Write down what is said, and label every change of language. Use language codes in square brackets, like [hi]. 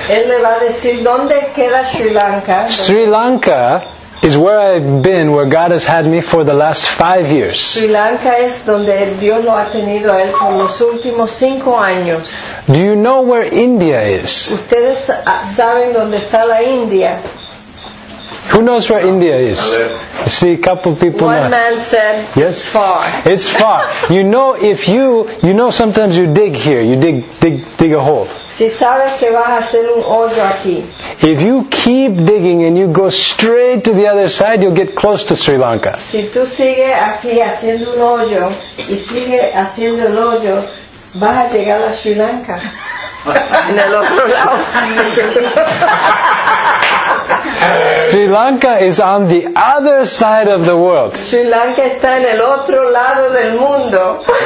[es] Él le va a decir dónde queda Sri Lanka. [en] Sri Lanka is where I've been, where God has had me for the last 5 years. [es] Sri Lanka es donde Dios lo ha tenido a él por los últimos 5 años. [en] Do you know where India is? [es] ¿Ustedes saben dónde está la India? [en] Who knows where India is? See, a couple of people. One man said, yes? It's far. It's far. You know, if you know, sometimes you dig here. You dig a hole. [es] Si sabes que vas a hacer un hoyo aquí. [en] If you keep digging and you go straight to the other side, you'll get close to Sri Lanka. [es] Si tú sigues aquí haciendo un hoyo y sigues haciendo el hoyo, vas a llegar a Sri Lanka. En el otro lado. [en] Sri Lanka is on the other side of the world. [es] Sri Lanka está en el otro lado del mundo.